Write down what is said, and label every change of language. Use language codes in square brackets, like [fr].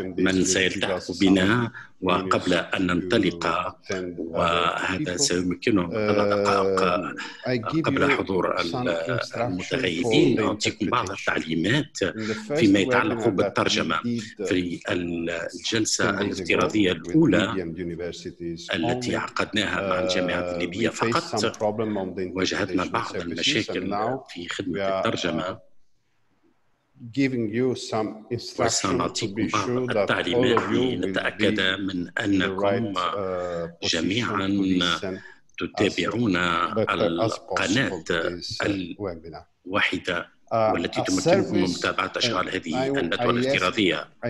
[en] and this [ar] من سيلتحق بنا وقبل أن ننطلق وهذا سيمكنه التلقاء قبل حضور المتغيبين أعطيكم بعض التعليمات فيما يتعلق بالترجمة في الجلسة الافتراضية الأولى التي عقدناها مع الجامعات الليبية فقط واجهتنا بعض المشاكل في خدمة الترجمة [en] giving you some instructions to be sure that all of you will be in the right position to listen as well as possible to this [ar] والتي تمكنكم من متابعة أشغال هذه الندوة الافتراضية.